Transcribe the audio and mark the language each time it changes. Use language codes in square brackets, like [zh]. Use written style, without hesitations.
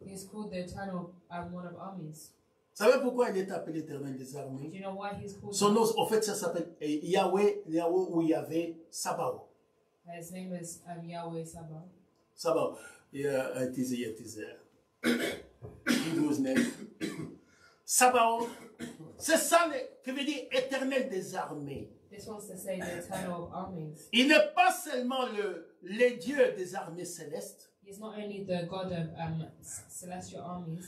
[en] He is called the Eternal One of Armies. [fr] Vous savez pourquoi il est appelé l'Éternel des armées? [en] Do you know why he's called? [fr] Son nom, en fait, ça s'appelle Yahweh, Yahweh ou Yahweh Sabaoth. [en] His name is Yahweh Sabaoth. Sabaoth, yeah, it is there. Hebrew's name. [fr] Sabaoth, c'est ça que veut dire Éternel des armées. [en] This wants to say the Eternal of Armies. [fr] Il n'est pas seulement le Dieu des armées célestes. [en] He's not only the God of celestial armies.